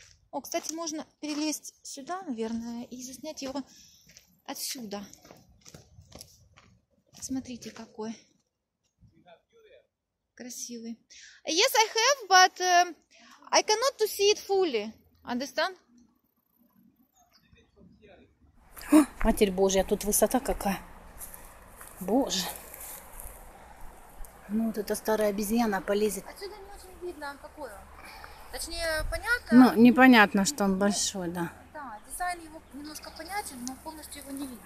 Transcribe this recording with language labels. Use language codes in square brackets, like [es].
[ru] О, кстати, можно перелезть сюда, наверное, и заснять его отсюда. Смотрите, какой красивый. [en] Yes, I have, but I cannot to see it fully. Understand? [ru] О, Матерь Божья, тут высота какая. Боже. Ну, вот эта старая обезьяна полезет. Отсюда не очень видно, какой он. Точнее, понятно? Ну, непонятно, что он большой, да. Да, дизайн его немножко понятен, но полностью его не видно.